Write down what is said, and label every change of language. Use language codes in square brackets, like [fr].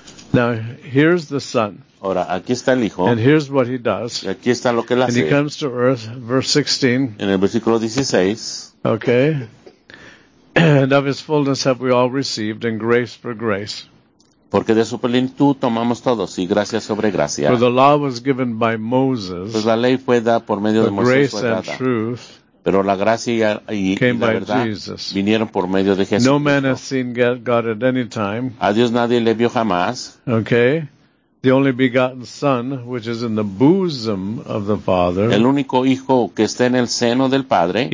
[en] Now, here's the Son. [es] Ahora, aquí está el Hijo. [en] And here's what he does. [es] Y aquí está lo que él hace. [en] And he comes to earth, verse 16. [es] En el versículo 16. [en] Okay. And of his fullness have we all received, and grace for grace. [es] Porque de su plenitud tomamos todos, y gracia sobre gracia. [en] For the law was given by Moses. [es] Pues la ley fue dada por medio de Moisés. [en] Grace and truth. [es] Pero la gracia y la verdad [en] Jesus. [es] Vinieron por medio de Jesús. [en] No man has seen God at any time. [es] A Dios nadie le vio jamás. [en] Okay. The only begotten Son, which is in the bosom of the Father. [es] El único hijo que está en el seno del Padre.